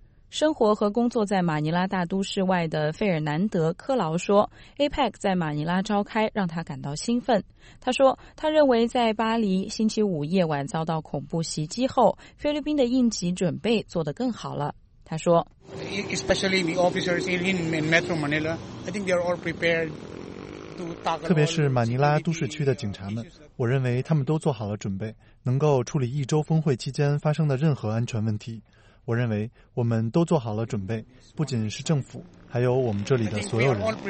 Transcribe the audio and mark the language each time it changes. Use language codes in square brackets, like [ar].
[zh] 生活和工作在马尼拉大都市外的费尔南德·科劳说， APEC 在马尼拉召开让他感到兴奋。他说，他认为在巴黎星期五夜晚遭到恐怖袭击后，菲律宾的应急准备做得更好了。他说， [en] Especially the officers in Metro Manila, I think they are all prepared to tackle. [zh] 特别是马尼拉都市区的警察们，我认为他们都做好了准备，能够处理一周峰会期间发生的任何安全问题。我认为我们都做好了准备，不仅是政府，还有我们这里的所有人。